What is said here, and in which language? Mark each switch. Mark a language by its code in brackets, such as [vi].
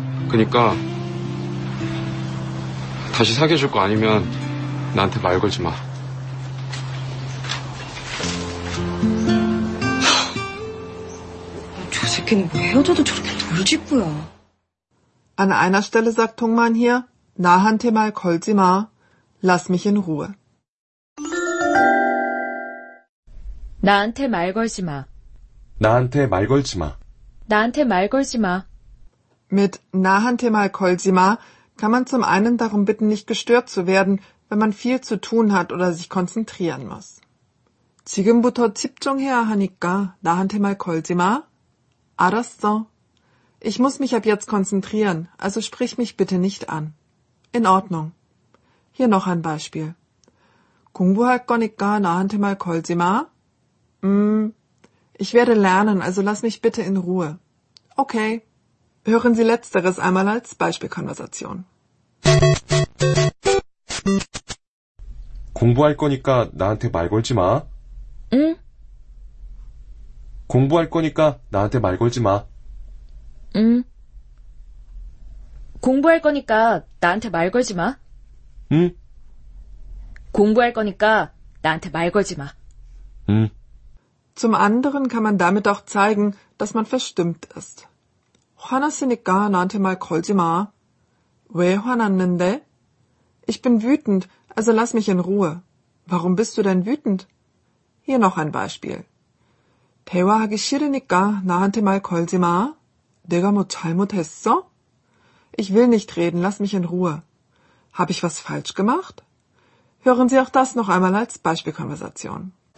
[ko] 그러니까 다시 사귀어줄 거 아니면 나한테 말 걸지 마. 저 새끼는 왜 헤어져도 저렇게 돌직구야. [de] An einer Stelle sagt Dong-man hier, [ko] 나한테 말 걸지 마. [de] Lass mich in Ruhe. [ko] 나한테 말 걸지 마. 나한테 말 걸지 마. 나한테 말 걸지 마. [de] Mit [ko] 나한테 말 걸지 마 [de] kann man zum einen darum bitten, nicht gestört zu werden, wenn man viel zu tun hat oder sich konzentrieren muss. [ko] 지금부터 집중해야 하니까 나한테 말 걸지 마. 알았어. [de] Ich muss mich ab jetzt konzentrieren, also sprich mich bitte nicht an. In Ordnung. Hier noch ein Beispiel. [ko] 공부할 거니까 나한테 말 걸지 마. [de] Ich werde lernen, also lass mich bitte in Ruhe. Okay. Hören Sie Letzteres einmal als Beispielkonversation. [ko] 공부할 거니까 나한테 말 걸지 마. 응? 공부할 거니까 나한테 말 걸지 마. 응? 공부할 거니까 나한테 말 걸지 마. 응? 공부할 거니까 나한테 말 걸지 마. 응? [de] Zum anderen kann man damit auch zeigen, dass man verstimmt ist. [ko] 화났으니까 나한테 말 걸지 마. 왜 화났는데? [de] Ich bin wütend, also lass mich in Ruhe. Warum bist du denn wütend? Hier noch ein Beispiel. [ko] 대화하기 싫으니까 나한테 말 걸지 마. 내가 뭐 잘못했어? [de] Ich will nicht reden, lass mich in Ruhe. Habe ich was falsch gemacht? Hören Sie auch das noch einmal als Beispielkonversation.